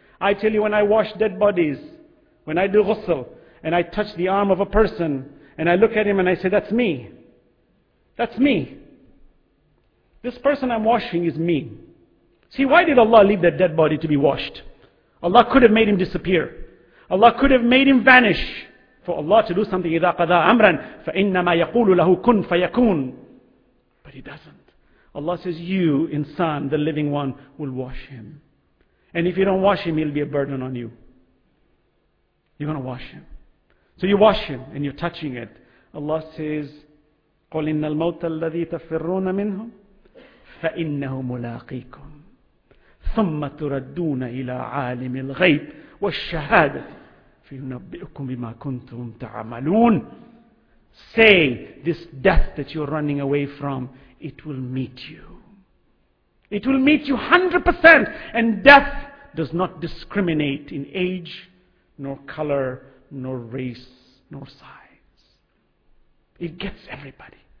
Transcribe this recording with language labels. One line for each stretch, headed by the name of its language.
English: I tell you, when I wash dead bodies, when I do ghusl, and I touch the arm of a person, and I look at him and I say, that's me. That's me. This person I'm washing is me. See, why did Allah leave that dead body to be washed? Allah could have made him disappear. Allah could have made him vanish. For Allah to do something,
Arabic: إِذَا قَضَىٰ أَمْرًا فَإِنَّمَا يَقُولُ لَهُ كُنْ فَيَكُونَ.
English: But he doesn't. Allah says, you, insan, the living one, will wash him. And if you don't wash him, he'll be a burden on you. You're going to wash him. So you wash him and you're touching it. Allah says,
Arabic: قُلْ إِنَّ الْمَوْتَ الَّذِي تَفِرُّونَ مِنْهُ فَإِنَّهُ مُلَاقِيكُمْ ثُمَّ تُرَدُّونَ إِلَىٰ عَالِمِ الْغَيْبِ وَالشَّهَادَةِ فَيُنَبِّئُكُمْ بِمَا كُنْتُمْ تَعَمَلُونَ.
English: Say, this death that you're running away from, it will meet you. It will meet you 100%. And death does not discriminate in age, nor color, nor race, nor size. It gets everybody.